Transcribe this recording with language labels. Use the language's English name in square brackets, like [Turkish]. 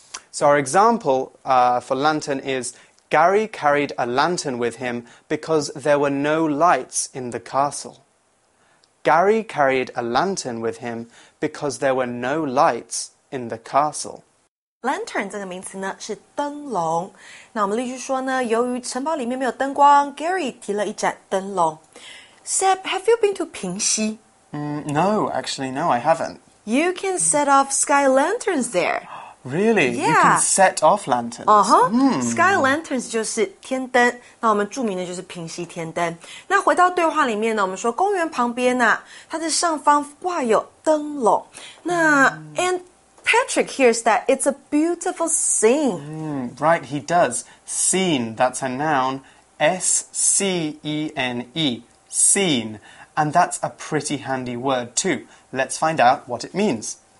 [English] So our example for lantern is... Gary carried a lantern with him because there were no lights in the castle. Gary carried a lantern with him because there were no lights in the castle. [Chinese] Lantern 这个名词呢是灯笼。那我们例句说呢，由于城堡里面没有灯光 ，Gary 提了一盏灯笼。 [English] Seb, have you been to 平溪？ No, actually, no, I haven't. You can set off sky lanterns there. Really? Yeah. You can set off lanterns? [Chinese] Uh-huh. Mm. Sky lanterns 就是天灯，那我们著名的就是平溪天灯。那回到对话里面呢，我们说公园旁边啊，它的上方挂有灯笼。那、mm. [English] And Patrick hears that it's a beautiful scene.、 Mm. Right, he does. Scene, that's a noun. S-C-E-N-E. Scene. And that's a pretty handy word too. Let's find out what it means.